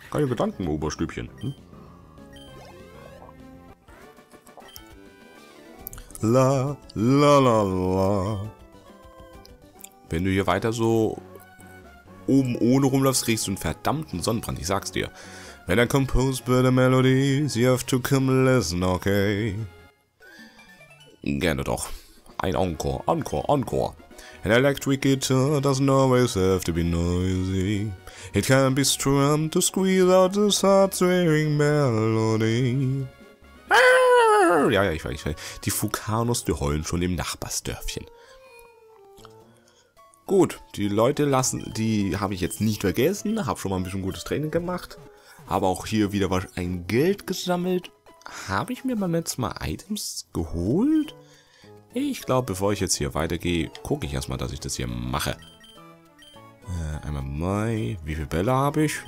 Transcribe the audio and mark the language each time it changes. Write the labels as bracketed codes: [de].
[de] Keine Gedanken, Oberstübchen. La, la, la, la. Wenn du hier weiter so oben ohne rumläufst, kriegst du einen verdammten Sonnenbrand, ich sag's dir. [en] When I compose better melodies, you have to come listen, okay? [de] Gerne doch. Ein Encore, Encore, Encore. [en] An electric guitar doesn't always have to be noisy. It can be strummed to squeeze out the heart-wearing melody. [de] Ja, ich weiß. Die Fukanos, die heulen schon im Nachbarsdörfchen. Gut, die Leute lassen, die habe ich jetzt nicht vergessen. Habe schon mal ein bisschen gutes Training gemacht. Habe auch hier wieder ein Geld gesammelt. Habe ich mir beim letzten Mal Items geholt? Ich glaube, bevor ich jetzt hier weitergehe, gucke ich erstmal, dass ich das hier mache. Einmal Mai. Wie viele Bälle habe ich?